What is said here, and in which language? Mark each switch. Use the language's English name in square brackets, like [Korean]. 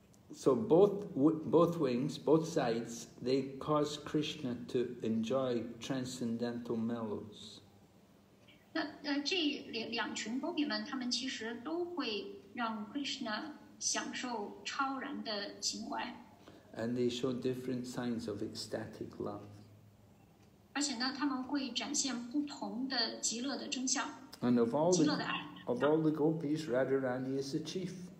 [English] So both wings, both sides, they cause Krishna to enjoy transcendental mellows. [Chinese] 那这两群 gopi 们，他们其实都会让 Krishna 享受超然的情怀。 [English] And they show different signs of ecstatic love. [Chinese] 而且呢，他们会展现不同的极乐的征象。 [English] And of all the gopis, Radharani is the chief.